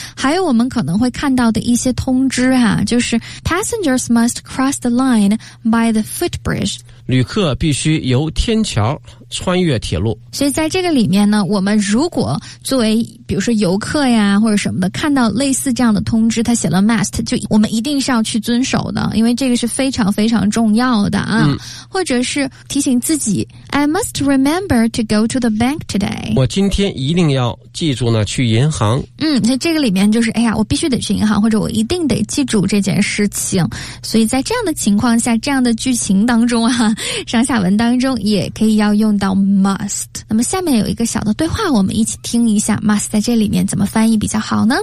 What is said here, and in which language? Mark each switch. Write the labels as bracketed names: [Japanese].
[Chinese] 还有我们可能会看到的一些通知哈、就是 [English] passengers must cross the line by the footbridge， [Chinese] 旅客必须由天桥穿越铁路。所以在这个里面呢，我们如果作为比如说游客呀或者什么的，看到类似这样的通知，他写了 must， 就我们一定是要去遵守的，因为这个是非常非常重要的啊。或者是提醒自己 [English] I must remember to go to the bank today， [Chinese] 我今天一定要记住呢去银行。所以这个里面就是哎呀我必须得去银行，或者我一定得记住这件事情。所以在这样的情况下，这样的剧情当中啊，上下文当中也可以要用到 must。那么下面有一个小的对话，我们一起听一下 must 在这里面怎么翻译比较好呢。